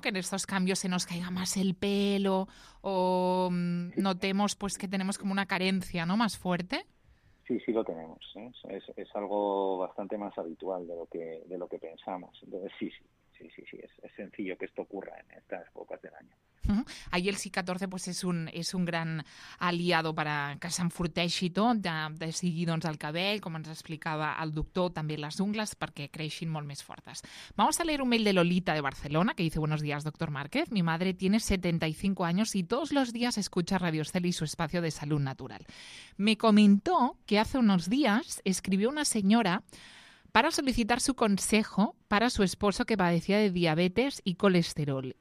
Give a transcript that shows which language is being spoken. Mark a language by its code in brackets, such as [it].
[es] Que en estos cambios se nos caiga más el pelo o notemos pues que tenemos como una carencia, ¿no? Más fuerte. Sí, sí lo tenemos, ¿eh? Es algo bastante más habitual de lo que pensamos. Entonces, sí, es sencillo que esto ocurra en estas épocas del año. Uh-huh. [ca] Ahí el SI-14 pues és un gran aliado per a que s'enforteixi tot, de seguir doncs, el cabell, com ens explicava el doctor, també les ungles, perquè creixin molt més fortes. [es] Vamos a leer un mail de Lolita de Barcelona, que dice: buenos días, doctor Márquez. Mi madre tiene 75 años y todos los días escucha Radio Estel y su espacio de salud natural. Me comentó que hace unos días escribió una señora para solicitar su consejo para su esposo que padecía de diabetes y colesterol.